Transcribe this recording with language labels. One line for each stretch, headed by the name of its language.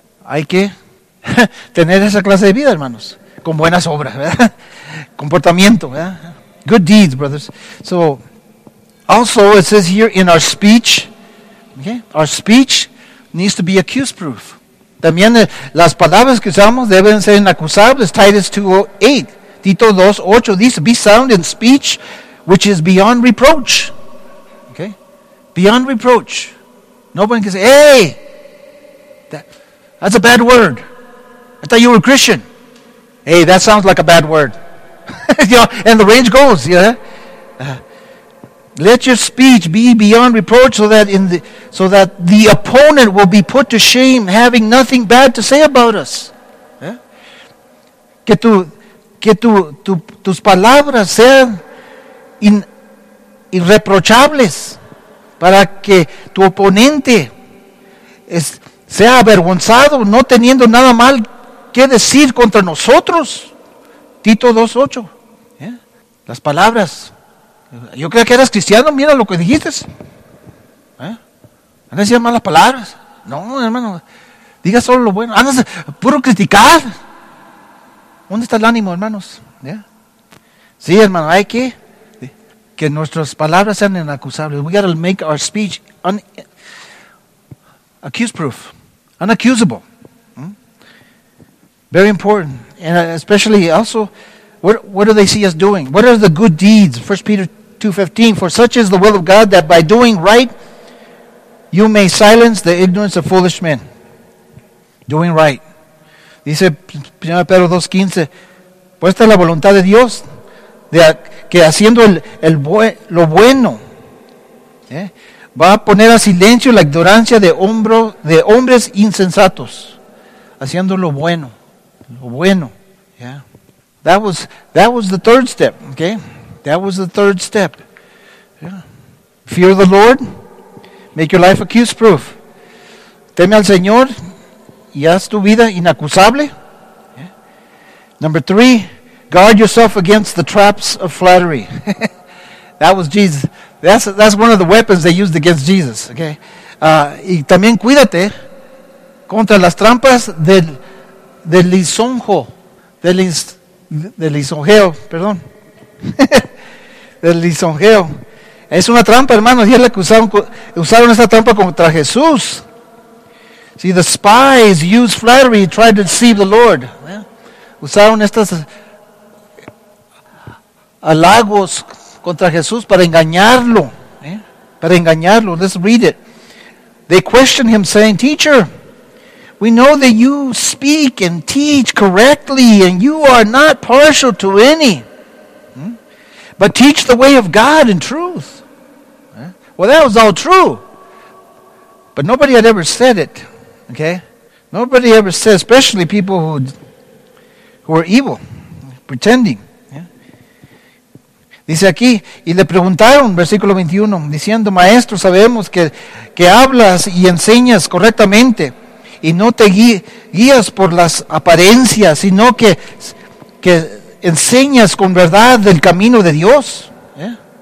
Spanish: Hay que tener esa clase de vida, hermanos, con buenas obras, ¿verdad? Comportamiento, ¿verdad?
English: Good deeds, brothers. So, also it says here in our speech, okay? Our speech needs to be accused proof.
Spanish: También las palabras que usamos deben ser inacusables.
English: Titus 2:8.
Spanish: Tito 2:8 dice,
English: be sound in speech, which is beyond reproach. Okay? Beyond reproach. Nobody can say, hey, that's a bad word. I thought you were a Christian. Hey, that sounds like a bad word. You know, and the range goes, yeah? Let your speech be beyond reproach, so that the opponent will be put to shame, having nothing bad to say about us. ¿Eh?
Spanish: Que tus palabras sean irreprochables, para que tu oponente sea avergonzado, no teniendo nada mal que decir contra nosotros. Tito 2:8. ¿Eh? Las palabras. Yo creía que eras cristiano, mira lo que dijiste. ¿Eh? Andas a decir malas palabras. No, hermano, diga solo lo bueno. Andas puro criticar. ¿Dónde está el ánimo, hermanos? ¿Eh? Sí, hermano, hay que nuestras palabras sean inacusables.
English: We got to make our speech accuse proof, unaccusable. ¿Mm? Very important. And especially also, what do they see us doing? What are the good deeds? 1 Peter 2:15, for such is the will of God, that by doing right you may silence the ignorance of foolish men. Doing right.
Spanish: Dice 1 Pedro 2:15, pues esta es la voluntad de Dios, de que haciendo lo bueno, ¿eh? Va a poner a silencio la ignorancia de hombres insensatos, haciendo lo bueno, yeah.
English: That was the third step, okay? That was the third step. Yeah. Fear the Lord. Make your life accused proof.
Spanish: Teme al Señor y haz tu vida inacusable. Yeah.
English: Number 3, guard yourself against the traps of flattery. That was Jesus. That's one of the weapons they used against Jesus. Okay.
Spanish: Y también cuídate contra las trampas del lisonjo, del lisonjeo, perdón. Del lisonjeo. Es una trampa, hermanos. Y es la que usaron esa trampa contra Jesús.
English: See, the spies used flattery to try to deceive the Lord.
Spanish: Yeah. Usaron estos halagos contra Jesús para engañarlo. Yeah. Para engañarlo.
English: Let's read it. They questioned him, saying, "Teacher, we know that you speak and teach correctly, and you are not partial to any, but teach the way of God in truth." Well, that was all true. But nobody had ever said it. Okay? Nobody ever said, especially people who are evil, pretending. Yeah?
Spanish: Dice aquí, y le preguntaron, versículo 21, diciendo, "Maestro, sabemos que hablas y enseñas correctamente, y no te guías por las apariencias, sino que enseñas con verdad del camino de Dios." Yeah?